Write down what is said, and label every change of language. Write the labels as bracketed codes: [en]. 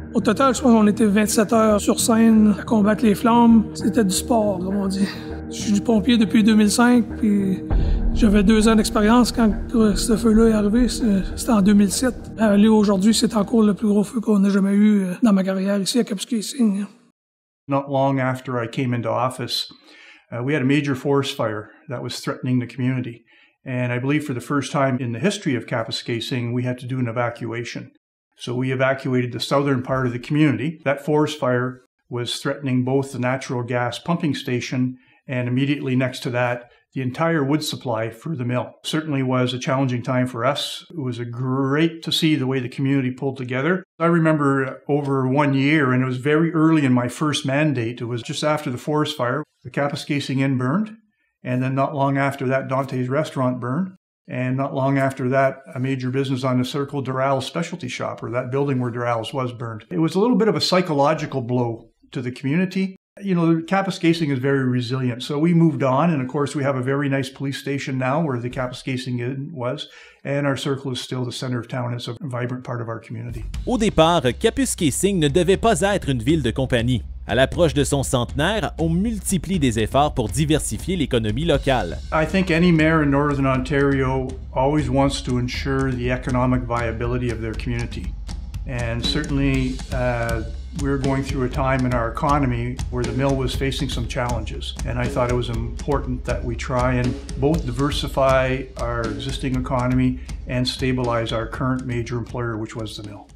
[fr] Au total, je pense qu'on était 27 heures sur scène à combattre les flammes. C'était du sport, comme on dit. Je suis du pompier depuis 2005, puis j'avais 2 ans d'expérience quand ce feu-là est arrivé. C'était en 2007. Là, aujourd'hui, c'est encore le plus gros feu qu'on a jamais eu dans ma carrière ici à Kapuskasing. [en] Not long after I came into office, we had a major forest fire that was threatening the community. And I believe for the first time in the history of Kapuskasing, we had to do an evacuation. So we evacuated the southern part of the community. That forest fire was threatening both the natural gas pumping station and immediately next to that, the entire wood supply for the mill. Certainly was a challenging time for us. It was great to see the way the community pulled together. I remember over 1 year, and it was very early in my first mandate, it was just after the forest fire, the Kapuskasing Inn burned. And then not long after that, Dante's restaurant burned. And not long after that, a major business on the circle, Doral's specialty shop, or that building where Doral's was, burned. It was a little bit of a psychological blow to the community. You know, Kapuskasing is very resilient. So we moved on. And of course, we have a very nice police station now where the Kapuskasing Inn was. And our circle is still the center of town. It's a vibrant part of our community. [fr] Au départ, Kapuskasing ne devait pas être une ville de compagnie. À l'approche de son centenaire, on multiplie des efforts pour diversifier l'économie locale. [en] I think any mayor in Northern Ontario always wants to ensure the economic viability of their community. And certainly, we're going through a time in our economy where the mill was facing some challenges. And I thought it was important that we try and both diversify our existing economy and stabilize our current major employer, which was the mill.